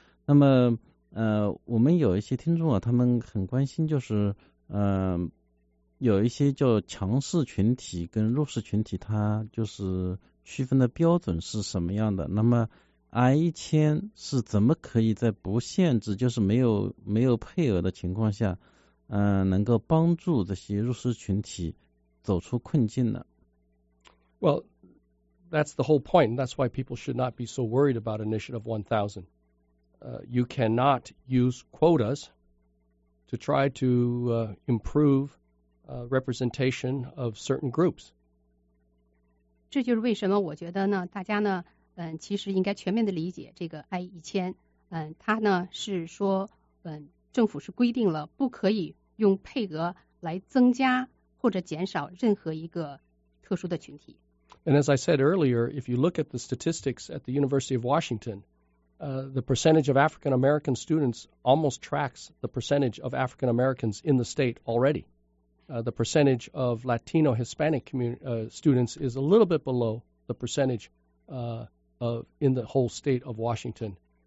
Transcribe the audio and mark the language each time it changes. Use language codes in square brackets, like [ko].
[zh] 那么我们有一些听众啊，他们很关心，就是有一些叫强势群体跟弱势群体，它就是区分的标准是什么样的？那么 I-1000 是怎么可以在不限制，就是没有配额的情况下，能够帮助这些弱势群体走出困境呢？ [en] Well, that's the whole point. That's why people should not be so worried about Initiative 1000. You cannot use quotas to try to improve. Representation of certain groups. [zh] 这就是为什么我觉得呢，大家呢，其实应该全面的理解这个 I-1000。它呢是说，政府是规定了不可以用配额来增加或者减少任何一个特殊的群体。 [en] And as I said earlier, if you look at the statistics at the University of Washington, the percentage of African American students almost tracks the percentage of African Americans in the state already. The percentage of Latino Hispanic students is a little bit below the percentage of in the whole state of Washington.